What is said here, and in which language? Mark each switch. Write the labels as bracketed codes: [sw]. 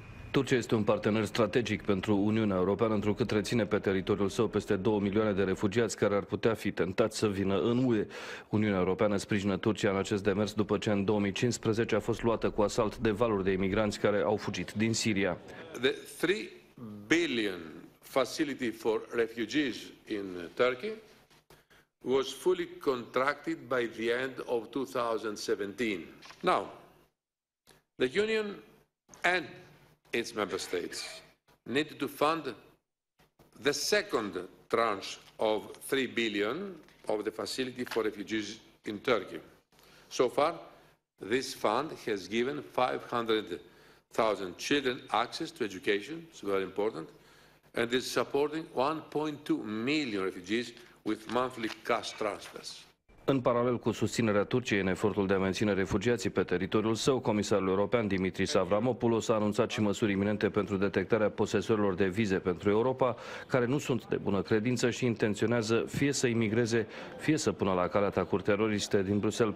[ro] Turcia este un partener strategic pentru Uniunea Europeană, întrucât reține pe teritoriul său peste 2 milioane de refugiați care ar putea fi tentați să vină în UE. Uniunea Europeană sprijină Turcia în acest demers după ce în 2015 a fost luată cu asalt de valuri de imigranți care au fugit din Siria. [en] The 3 billion facility for refugees in Turkey was fully contracted by the end of 2017. Now, the Union and its member states need to fund the second tranche of 3 billion of the facility for refugees in Turkey. So far, this fund has given 500,000 children access to education, it's very important, and is supporting 1.2 million refugees with monthly cash transfers. [ro] În paralel cu susținerea Turciei în efortul de a menține refugiații pe teritoriul său, comisarul european Dimitris Avramopoulos a anunțat și măsuri iminente pentru detectarea posesorilor de vize pentru Europa, care nu sunt de bună credință și intenționează fie să imigreze, fie să pună la cale atacuri teroriste din Bruxelles.